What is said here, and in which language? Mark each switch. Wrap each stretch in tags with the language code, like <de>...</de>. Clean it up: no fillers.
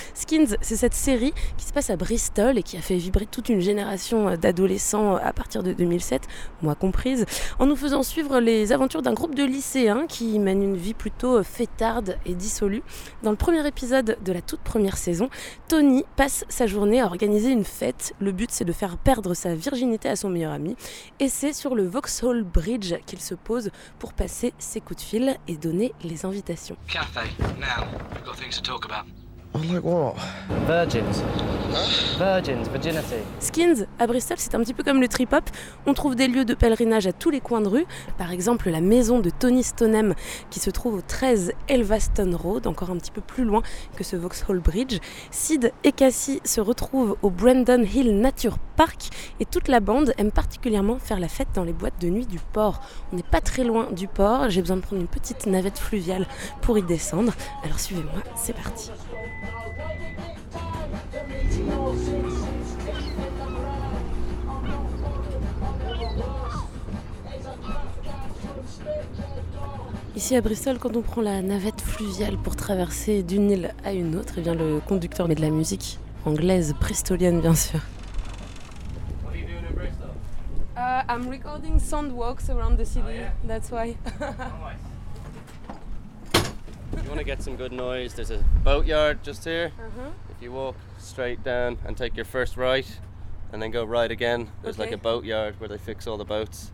<fr>Skins, c'est cette série qui se passe à Bristol et qui a fait vibrer toute une génération d'adolescents à partir de 2007, moi comprise, en nous faisant suivre les aventures d'un groupe de lycéens qui mène une vie plutôt fêtarde et dissolue. Dans le premier épisode de la toute première saison, Tony passe sa journée à organiser une fête. Le but, c'est de faire perdre sa virginité à son meilleur ami. Et c'est sur le Vauxhall Bridge qu'il se pose pour passer ses coups de fil et donner les invitations.</fr> <en>Café, now, we've got things to talk about. Like what? Virgins. Huh? Virgins, virginity.</en> <fr>Skins, à Bristol, c'est un petit peu comme le trip-hop. On trouve des lieux de pèlerinage à tous les coins de rue. Par exemple, la maison de Tony Stoneham, qui se trouve au 13 Elveston Road, encore un petit peu plus loin que ce Vauxhall Bridge. Sid et Cassie se retrouvent au Brandon Hill Nature Park. Et toute la bande aime particulièrement faire la fête dans les boîtes de nuit du port. On n'est pas très loin du port. J'ai besoin de prendre une petite navette fluviale pour y descendre. Alors suivez-moi, c'est parti. Ici à Bristol, quand on prend la navette fluviale pour traverser d'une île à une autre, eh bien le conducteur met de la musique anglaise, bristolienne bien sûr.</fr> <en>I'm recording sound walks around the city, that's why. If you want to get some good noise, there's a boatyard just here. Uh-huh. If you walk straight down and take your first right and then go right again, there's okay. Like a boatyard where they fix all the boats.</en>